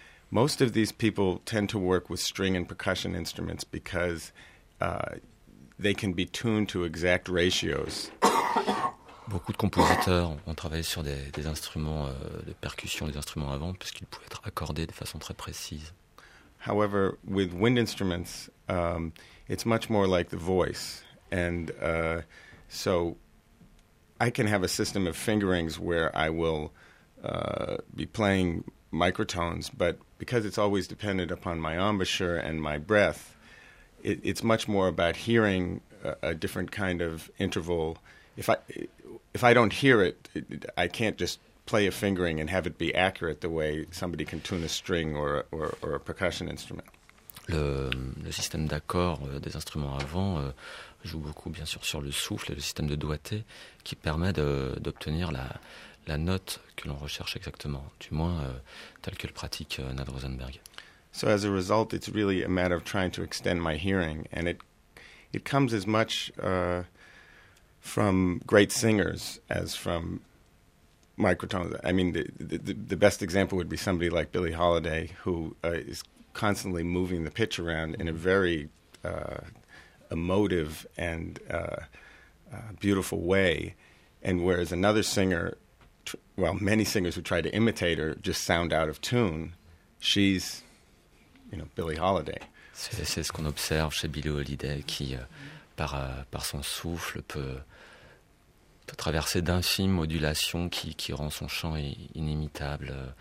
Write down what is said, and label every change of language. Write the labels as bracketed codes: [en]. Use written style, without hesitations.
[en] Most of these people tend to work with string and percussion instruments because they can be tuned to exact ratios. [fr] Beaucoup de compositeurs ont travaillé sur des instruments de percussion, des instruments à vent, puisqu'ils pouvaient être accordés de façon très précise. [en] However, with wind instruments, it's much more like the voice. And so I can have a system of fingerings where I will be playing microtones, but because it's always dependent upon my embouchure and my breath, it's much more about hearing a different kind of interval. If I don't hear it, I can't just play a fingering and have it be accurate the way somebody can tune a string or a percussion instrument. [fr] Le système d'accords des instruments à vent joue beaucoup, bien sûr, sur le souffle et le système de doigté qui permet d'obtenir la note que l'on recherche exactement, du moins telle que le pratique Nad Rosenberg. [en] So as a result, it's really a matter of trying to extend my hearing, and it comes as much from great singers as from microtones. I mean, the best example would be somebody like Billie Holiday, who is constantly moving the pitch around in a very emotive and beautiful way. And whereas another singer, many singers who try to imitate her just sound out of tune, she's, you know, Billie Holiday. [fr] C'est ce qu'on observe chez Billie Holiday, qui par son souffle peut traverser d'infimes modulations qui rend son chant inimitable.